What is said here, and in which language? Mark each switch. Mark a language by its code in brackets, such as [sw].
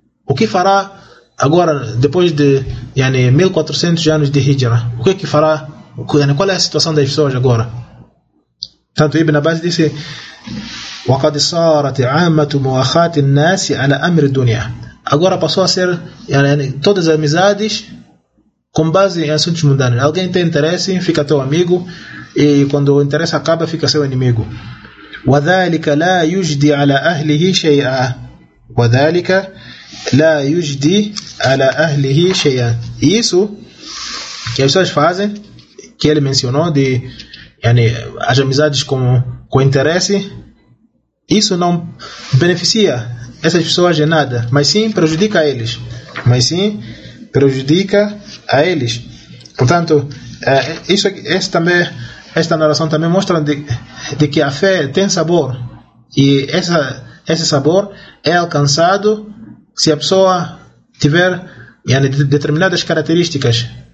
[pt] O que fará agora, depois de, yani, 1400 anos de Hijra? O que fará? Qual é a situação das pessoas agora? Tanto Ibn Abbas disse: [ar] وقد صارت عامة مؤاخات الناس على أمر الدنيا. [pt] Agora passou a ser, yani, todas as amizades com base em assuntos mundanos. Alguém tem interesse, fica teu amigo, e quando o interesse acaba, fica seu inimigo. [ar] وذلك لا يجدي على أهله شيئا. وذلك لا يجدي على أهله شيئا. [pt] Isso que as pessoas fazem, que ele mencionou, de, yani, as amizades com interesse, isso não beneficia essas pessoas de nada, mas sim prejudica a eles. Mas sim prejudica a eles. Portanto, esta narração também mostra de que a fé tem sabor, e esse sabor é alcançado se a pessoa tiver, yani, determinadas características.